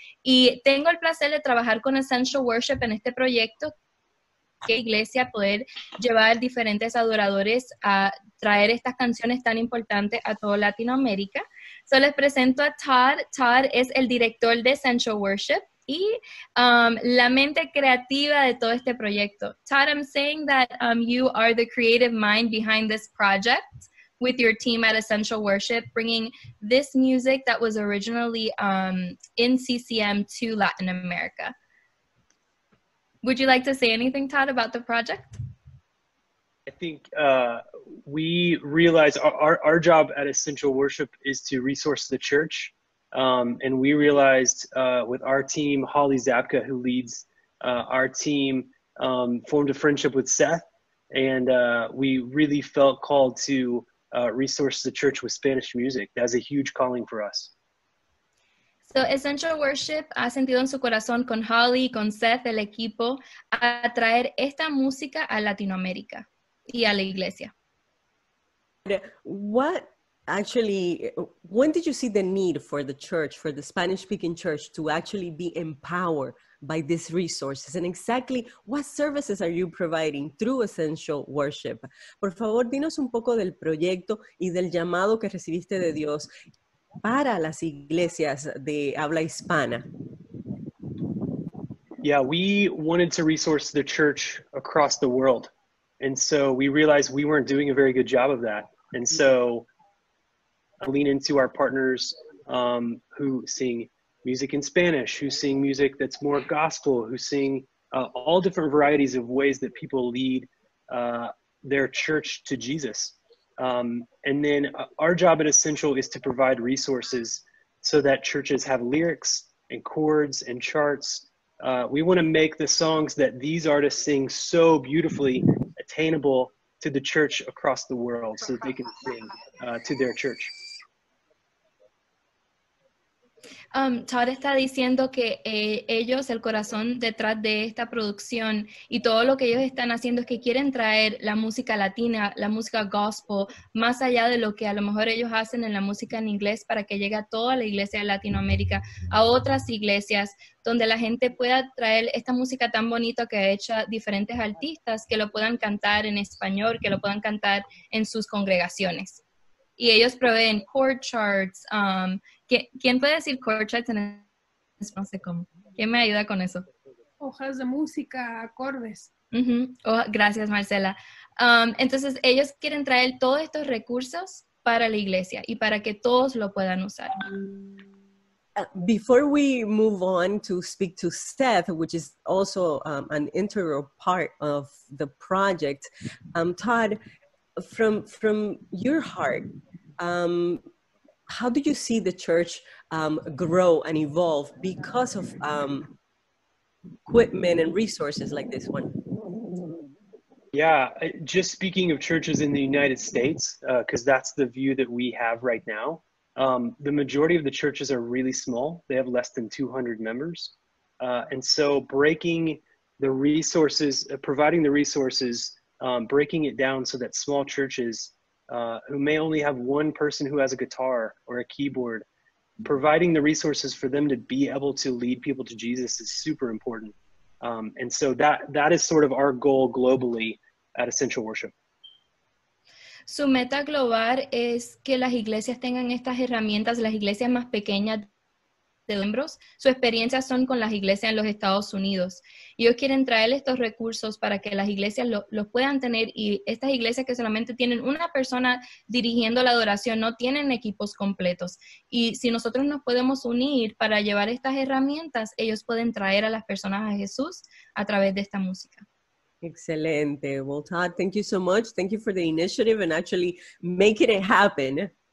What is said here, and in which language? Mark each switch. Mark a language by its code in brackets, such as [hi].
[es] Y tengo el placer de trabajar con Essential Worship en este proyecto, que iglesia poder llevar diferentes adoradores a traer estas canciones tan importantes a toda Latinoamérica. So les presento a Todd. Todd es el director de Essential Worship y la mente creativa de todo este proyecto. [en] Todd, I'm saying that you are the creative mind behind this project with your team at Essential Worship, bringing this music that was originally in CCM to Latin America. Would you like to say anything, Todd, about the project? I think we realize our job at Essential Worship is to resource the church. And we realized with our team, Holly Zapka, who leads our team, formed a friendship with Seth. And we really felt called to resource the church with Spanish music. That's a huge calling for us. [es] So Essential Worship ha sentido en su corazón con Holly, con Seth, el equipo, a traer esta música a Latinoamérica y a la iglesia. [en] What? Actually, when did you see the need for the church, for the Spanish-speaking church, to actually be empowered by these resources? And exactly what services are you providing through Essential Worship? [es] Por favor, dinos un poco del proyecto y del llamado que recibiste de Dios para las iglesias de habla hispana. [en] Yeah, we wanted to resource the church across the world. And so we realized we weren't doing a very good job of that. And so lean into our partners who sing music in Spanish, who sing music that's more gospel, who sing all different varieties of ways that people lead their church to Jesus. And then our job at Essential is to provide resources so that churches have lyrics and chords and charts. We want to make the songs that these artists sing so beautifully attainable to the church across the world so that they can sing to their church. [es] Todd está diciendo que ellos, el corazón detrás de esta producción y todo lo que ellos están haciendo es que quieren traer la música latina, la música gospel, más allá de lo que a lo mejor ellos hacen en la música en inglés para que llegue a toda la iglesia de Latinoamérica, a otras iglesias donde la gente pueda traer esta música tan bonita que ha hecho diferentes artistas, que lo puedan cantar en español, que lo puedan cantar en sus congregaciones. Y ellos proveen chord charts. ¿Quién puede decir chord charts en español? No sé cómo. ¿Quién me ayuda con eso? Hojas de música, acordes. Uh-huh. Oh, gracias, Marcela. Entonces, ellos quieren traer todos estos recursos para la iglesia y para que todos lo puedan usar. [en] Before we move on to speak to Seth, which is also an integral part of the project, Todd, from your heart, how do you see the church grow and evolve because of equipment and resources like this one? Yeah, just speaking of churches in the United States, because that's the view that we have right now, the majority of the churches are really small. They have less than 200 members. And so breaking the resources, providing the resources, breaking it down so that small churches who may only have one person who has a guitar or a keyboard, providing the resources for them to be able to lead people to Jesus is super important. And so that is sort of our goal globally at Essential Worship. [es] Su meta global es que las iglesias tengan estas herramientas, las iglesias más pequeñas de miembros. Su experiencia son con las iglesias en los Estados Unidos. Ellos quieren traer estos recursos para que las iglesias los puedan tener, y estas iglesias que solamente tienen una persona dirigiendo la adoración no tienen equipos completos. Y si nosotros nos podemos unir para llevar estas herramientas, ellos pueden traer a las personas a Jesús a través de esta música. [en] Excelente. Well, Todd, thank you so much. Thank you for the initiative and actually making it happen.